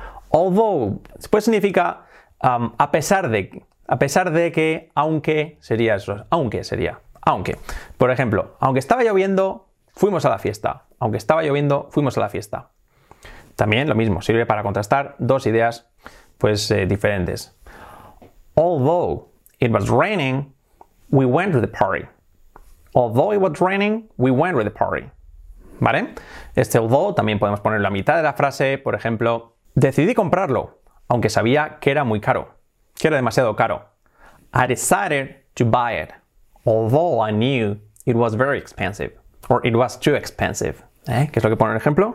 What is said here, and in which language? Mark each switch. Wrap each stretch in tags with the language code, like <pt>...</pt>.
<es>Although, pues significa a pesar de que, aunque sería eso, aunque. Por ejemplo, aunque estaba lloviendo, fuimos a la fiesta. Aunque estaba lloviendo, fuimos a la fiesta. También lo mismo, sirve para contrastar dos ideas pues diferentes.</es> <en>Although it was raining, we went to the party. Although it was raining, we went to the party.</en> <es>¿Vale? Este although también podemos ponerlo a mitad de la frase, por ejemplo, decidí comprarlo, aunque sabía que era muy caro, que era demasiado caro.</es> <en>I decided to buy it, although I knew it was very expensive, or it was too expensive.</en> <es>¿Eh? ¿Qué es lo que pone en el ejemplo?</es>